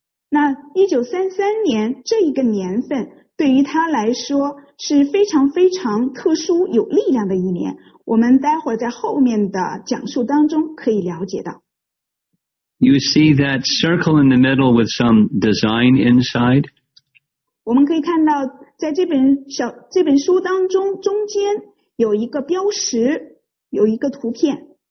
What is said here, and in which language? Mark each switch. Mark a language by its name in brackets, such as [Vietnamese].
[Chinese] 那1933年这一个年份对于他来说是非常非常特殊有力量的一年。我们待会儿在后面的讲述当中可以了解到。 [English] You see that circle in the middle with some design inside? [Chinese] 我们可以看到在这本书当中中间有一个标识，有一个图片。